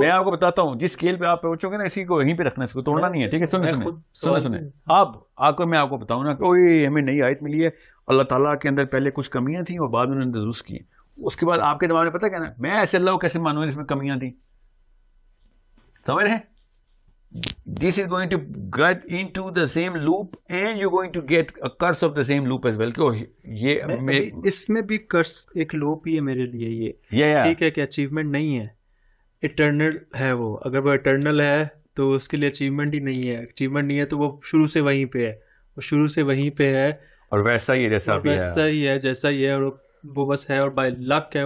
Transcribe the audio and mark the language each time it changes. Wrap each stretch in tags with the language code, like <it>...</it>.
<ur>میں آپ کو بتاتا ہوں, جس اسکیل پہ آپ پہنچو گے نا, اسی کو وہیں پہ رکھنا, اس کو توڑنا نہیں ہے. ٹھیک ہے, سنیں سنیں سنیں سنیں, اب آ کر میں آپ کو بتاؤں نا, کوئی ہمیں نئی آیت ملی ہے, اللہ تعالیٰ کے اندر پہلے کچھ کمیاں تھیں اور بعد انہوں نے درست کی, اس کے بعد آپ کے دماغ میں پتہ کیا نا, میں ایسے اللہ کو کیسے مانوں جس میں کمیاں تھیں. سمجھ رہے ہیں؟</ur> <en>This is going to get in to the same loop, and you going to get a curse of the same loop as well.</en> <ur>یہ اس میں بھی کرس, ایک لوپ ہی ہے میرے لیے یہ. ٹھیک ہے کہ اچیومنٹ نہیں ہے, اٹرنل ہے وہ. اگر وہ اٹرنل ہے تو اس کے لیے اچیومنٹ ہی نہیں ہے. اچیومنٹ نہیں ہے تو وہ شروع سے وہیں پہ ہے, وہ شروع سے وہیں پہ ہے اور ویسا ہی ہے جیسا بھی ہے, ویسا ہی ہے جیسا ہی ہے, اور وہ بس ہے اور بائی لک ہے.</ur>